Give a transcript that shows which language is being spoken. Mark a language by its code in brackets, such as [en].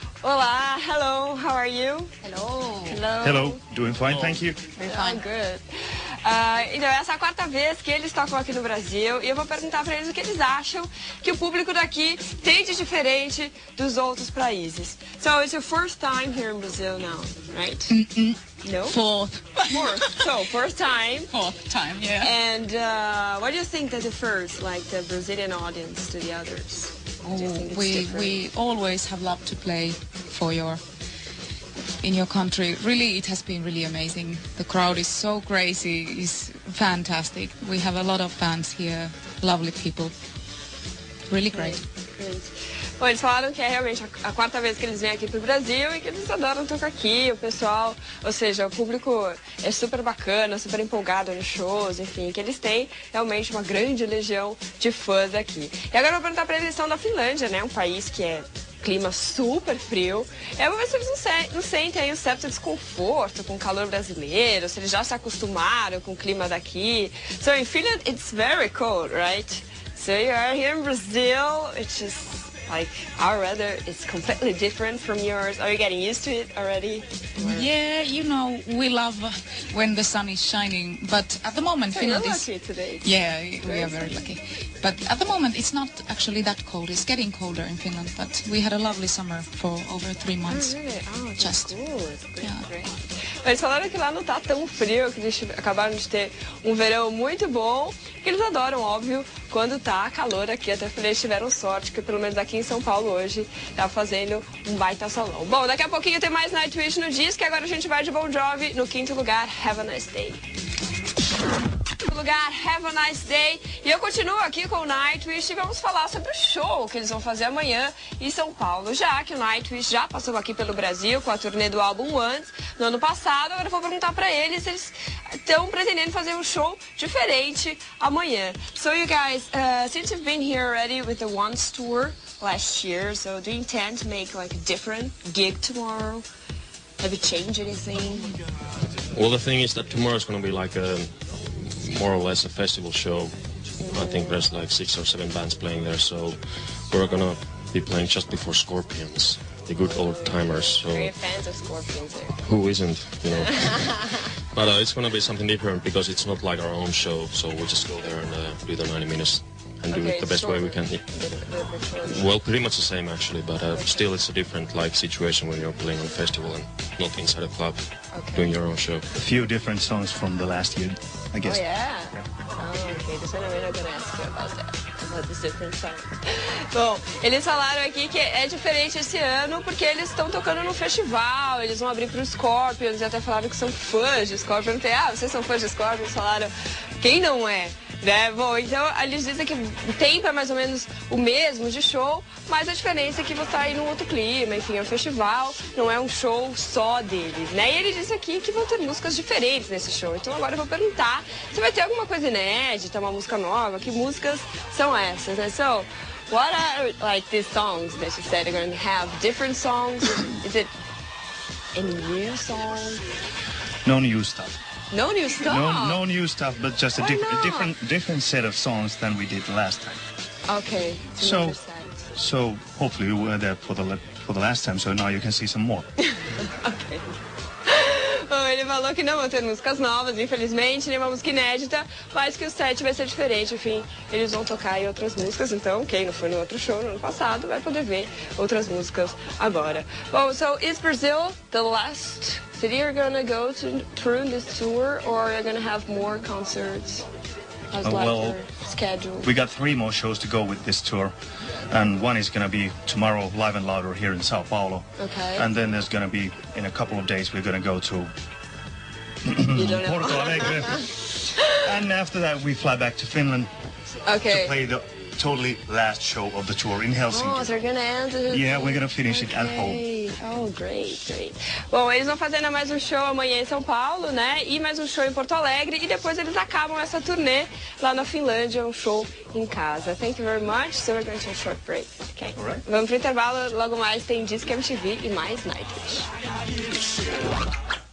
[pt] Olá, [en] hello, how are you? Hello. Hello. Hello, doing fine, thank you. Doing fine, good. [pt] Então, essa é a quarta vez que eles tocam aqui no Brasil e eu vou perguntar para eles o que eles acham que o público daqui tem de diferente dos outros países. [en] So, it's your first time here in Brazil now, right? Mm-mm. No? Fourth. So, first time. Fourth time, yeah. And what do you think that the first, like the Brazilian audience to the others? Oh, we always have loved to play for in your country. Really, it has been really amazing. The crowd is so crazy, it's fantastic. We have a lot of fans here, lovely people. Really great. Great. [pt] Bom, eles falaram que é realmente a quarta vez que eles vêm aqui pro Brasil e que eles adoram tocar aqui. O pessoal, ou seja, o público é super bacana, super empolgado nos shows, enfim, que eles têm realmente uma grande legião de fãs aqui. E agora eu vou perguntar pra eles são da Finlândia, né? Um país que é clima super frio. Eu vou ver se eles não sentem aí um certo desconforto com o calor brasileiro, se eles já se acostumaram com o clima daqui. [en] So, in Finland, it's very cold, right? So, you are here in Brazil, it's just... Like, our weather is completely different from yours. Are you getting used to it already? Or? Yeah, you know, we love when the sun is shining. But at the moment, so Finland you're lucky is... today. Yeah, we are very lucky. But at the moment, it's not actually that cold. It's getting colder in Finland. But we had a lovely summer for over 3 months. Oh, really? Oh, just cool. Yeah. Great. [pt] Eles falaram que lá não tá tão frio, que eles acabaram de ter um verão muito bom. Que eles adoram, óbvio, quando tá calor aqui. Até porque eles tiveram sorte, que pelo menos aqui em São Paulo hoje tá fazendo um baita solão. Bom, daqui a pouquinho tem mais Nightwish no Disque. Agora a gente vai de Bon Jovi no quinto lugar. [en] Have a nice day. [pt] Lugar, [en] have a nice day. [pt] E eu continuo aqui com o Nightwish e vamos falar sobre o show que eles vão fazer amanhã em São Paulo, já que o Nightwish já passou aqui pelo Brasil com a turnê do álbum Once no ano passado. Agora eu vou perguntar pra eles se eles estão pretendendo fazer um show diferente amanhã. [en] So you guys, since you've been here already with the Once tour last year, so do you intend to make like a different gig tomorrow? Have you changed anything? Well, the thing is that tomorrow's gonna be like a more or less a festival show. I think there's like 6 or 7 bands playing there, so we're gonna be playing just before Scorpions, the good old timers. So are you fans of Scorpions here? Who isn't, you know? But it's gonna be something different because it's not like our own show, so we'll just go there and do the 90 minutes and do it the best way we can. Well, pretty much the same actually, but still it's a different like situation when you're playing on a festival and not inside a club, doing your own show. A few different songs from the last year, I guess. Oh, yeah. Oh, okay. [pt] Bom, eles falaram aqui que é diferente esse ano porque eles estão tocando no festival, eles vão abrir para os Scorpions e até falaram que são fãs de Scorpions. Ah, vocês são fãs de Scorpions? Falaram, quem não é? Né? Bom, então eles dizem que o tempo é mais ou menos o mesmo de show, mas a diferença é que você está aí num outro clima, enfim, é um festival, não é um show só deles, né? E ele disse aqui que vão ter músicas diferentes nesse show, então agora eu vou perguntar se vai ter alguma coisa inédita, uma música nova, que músicas são essas, né? [en] So, what are, like, these songs that you said are going to have different songs? Is it any new song? No new stuff. No new stuff? No new stuff, but just a different set of songs than we did last time. Okay, so hopefully you were there for the last time, so now you can see some more. Okay. [pt] Bom, ele falou que não vão ter músicas novas, infelizmente, nem uma música inédita, mas que o set vai ser diferente, enfim, eles vão tocar em outras músicas, então quem não foi no outro show no ano passado vai poder ver outras músicas agora. [en] Bom, so is Brazil the last... So you're gonna go to prune this tour, or are you gonna have more concerts as well scheduled? We got 3 more shows to go with this tour, and one is gonna be tomorrow, Live and Louder, here in São Paulo. Okay. And then there's gonna be in a couple of days we're gonna go to Porto Alegre, and after that we fly back to Finland to play the totally last show of the tour in Helsinki. Oh, so we're gonna end it. Yeah, we're gonna finish it at home. Oh, great, great. [pt] Bom, eles vão fazer ainda mais um show amanhã em São Paulo, né? E mais um show em Porto Alegre. E depois eles acabam essa turnê lá na Finlândia, um show em casa. [en] Thank you very much. So we're going to a short break. Okay. All right. [pt] Vamos pro intervalo. Logo mais tem Disque MTV e mais Nightwish.